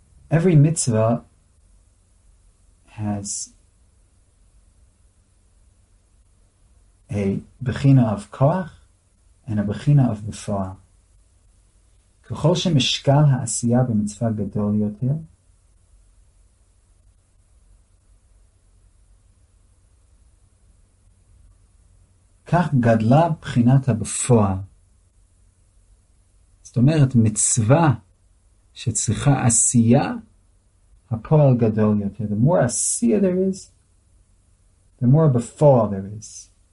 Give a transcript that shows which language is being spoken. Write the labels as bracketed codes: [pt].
[en] Every mitzvah has a bechina of koach and a bechina of b'fa'a. [he] ככל שמשקל העשייה במצווה גדול יותר, כך גדלה בחינת הבפועל. זאת אומרת, מצווה שצריכה עשייה, הפועל גדול יותר. [en] The more עשייה there is, the more בפועל there is.